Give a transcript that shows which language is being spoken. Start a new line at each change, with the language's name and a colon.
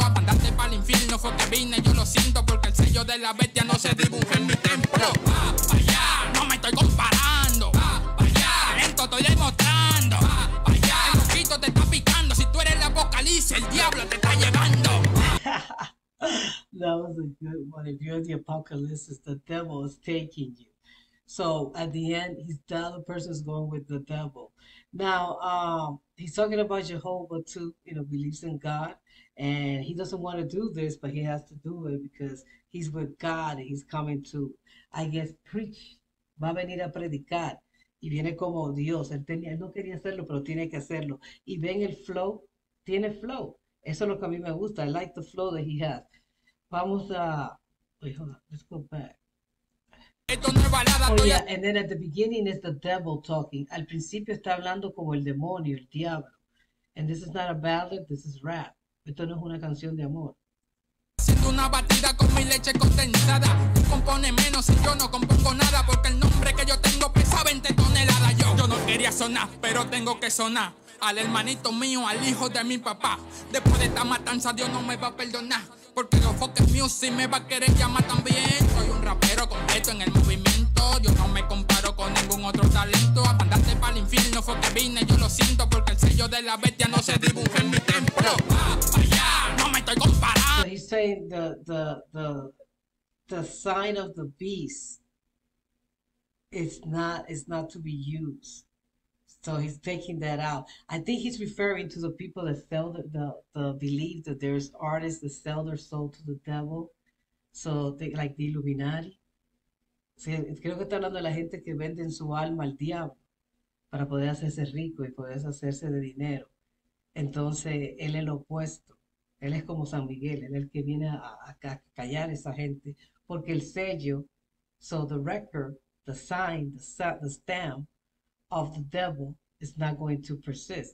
Spanish: A mandarte para el infierno fue que vine, yo lo siento. Porque el sello de la bestia no se dibuja en mi templo. Va para allá, no me estoy comparando. Va para allá, esto estoy demostrando. Va para allá, el poquito te está picando. Si tú eres el apocalipsis, el diablo te está llevando.
English: That was a good one. If you're the apocalypse, the devil is taking you. So at the end, he's the other person is going with the devil. Now, he's talking about Jehovah too, you know, believes in God. And he doesn't want to do this, but he has to do it because he's with God. And he's coming to, I guess, preach.
Spanish: Va a venir a predicar. Y viene como Dios. Él no quería hacerlo, pero tiene que hacerlo. Y ven el flow. Tiene flow. Eso es lo que a mí me gusta.
English: I like the flow that he has.
Spanish: Vamos a...
English: Wait, hold on. Let's go back. Oh, yeah. And then at the beginning is the devil talking.
Spanish: Al principio está hablando como el demonio, el diablo.
English: And this is not a ballad, this is rap.
Spanish: Esto no es una canción de amor. Siento una batida con mi leche condensada. Tú compones menos y yo no compongo nada. Porque el nombre que yo tengo pesa 20 toneladas. Yo no quería sonar, pero tengo que sonar. Al hermanito mío, al hijo de mi papá. Después de esta matanza, Dios no me va a perdonar. Porque los Focus Music me va a querer llamar también. Soy un rapero completo en el movimiento. Yo no me comparo con ningún otro talento. A mandarte para el infierno fue que vine, yo lo siento. Porque el sello de la bestia no se dibuja en mi templo. Va para allá, no me estoy comparando.
English: So he's saying the sign of the beast is not to be used. So he's taking that out. I think he's referring to the people that sell the belief that there's artists that sell their soul to the devil. So they, like the Illuminati.
Spanish: Creo que está hablando de la gente que venden su alma al diablo para poder hacerse rico y poder hacerse de dinero. Entonces, él es lo opuesto. Él es como San Miguel. Él es el que viene a callar a esa gente. Porque el sello,
English: so the record, the sign, the stamp, of the devil is not going to persist.